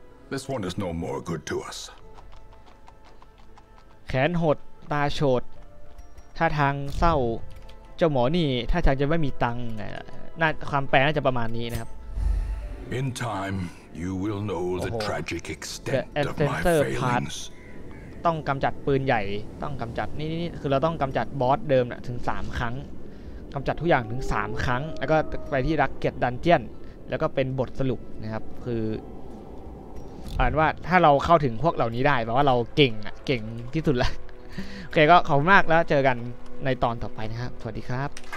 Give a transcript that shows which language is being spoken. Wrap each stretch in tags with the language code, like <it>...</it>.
<en>This one is no more good to us.</en> <th>แขนหดตาโฉดท่าทางเศร้าเจ้าหมอนี่ท่าทางจะไม่มีตังค์น่าความแปลน่าจะประมาณนี้นะครับ</th> <en>In time you will know the tragic extent of my failings</en> <th>ต้องกำจัดปืนใหญ่ต้องกำจัดนี่ๆคือเราต้องกำจัดบอสเดิมน่ะถึง3ครั้งกำจัดทุกอย่างถึง3ครั้งแล้วก็ไปที่รักเก็ตดันเจียนแล้วก็เป็นบทสรุปนะครับคืออ่านว่าถ้าเราเข้าถึงพวกเหล่านี้ได้แปลว่าเราเก่งอ่ะเก่งที่สุดแล้วโอเคก็ขอบคุณมากแล้วเจอกันในตอนต่อไปนะครับสวัสดีครับ</th>